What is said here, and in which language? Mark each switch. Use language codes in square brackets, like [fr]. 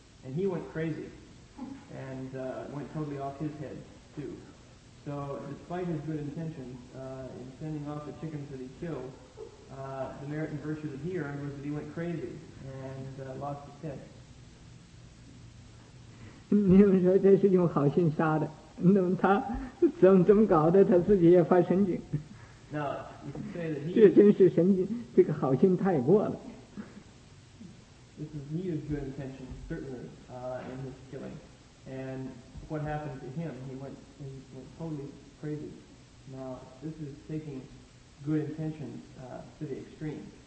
[en] And he went crazy and went totally off his head, too. So, despite his good intentions, in sending off the chickens that he killed, the merit and virtue that he earned was that he went crazy and lost his head. [zh] 你们说这是用好心杀的，那么他怎么搞的？他自己也发神经。 [en] No, you can say that he. [zh] 这真是神经，这个好心太过了。 [en] This is he has good intentions, certainly, in his killing, and. What happened to him? He went totally crazy. Now, this is taking good intentions to the extreme.